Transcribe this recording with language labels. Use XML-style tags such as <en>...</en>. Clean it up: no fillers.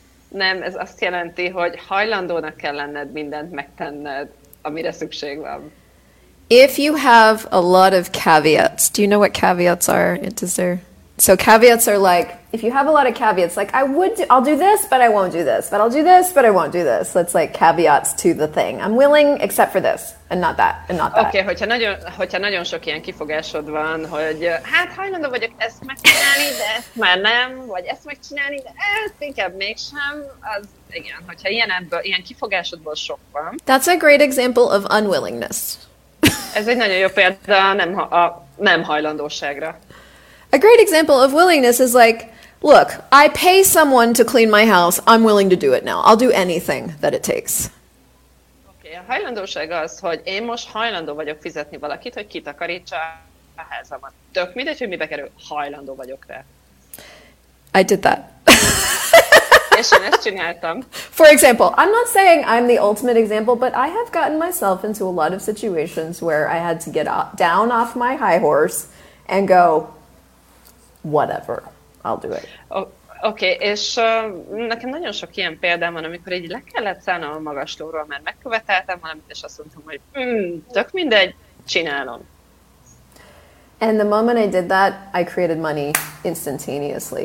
<hu>Nem, ez azt jelenti, hogy hajlandónak kell lenned mindent megtenned, amire szükség van.</hu> <en>If you have a lot of caveats, do you know what caveats are? Is there? So caveats are like if you have a lot of caveats, like I'll do this, but I won't do this. That's like caveats to the thing. I'm willing except for this and not that and not that.</en> <hu>Okay, hogyha nagyon sok ilyen kifogásod van, hogy hát hajlandó vagyok ezt megcsinálni, de ezt már nem, vagy ezt megcsinálni, de ezt inkább mégsem, az igen, hogyha ilyen kifogásodból sok van.</hu> <en>That's a great example of unwillingness.</en> <hu>Ez egy nagyon jó példa nem hajlandóságra.</hu> <en>A great example of willingness is like, look, I pay someone to clean my house. I'm willing to do it now. I'll do anything that it takes.</en> <hu>Okay, a hajlandóság az, hogy én most hajlandó vagyok fizetni valakit, hogy kitakarítsa a házamat. Tök mindegy, hogy mibe kerül, hajlandó vagyok rá.</hu> <en>I did that.</en> <hu>És én ezt csináltam.</hu> <en>For example, I'm not saying I'm the ultimate example, but I have gotten myself into a lot of situations where I had to get down off my high horse and go, whatever, I'll do it.</en> <hu>Okay, és nekem nagyon sok ilyen példám van, amikor így le kellett szállnom a magaslóról, mert megköveteltem valamit, és azt mondtam, hogy tök mindegy, csinálom.</hu> <en>And the moment I did that, I created money instantaneously.</en>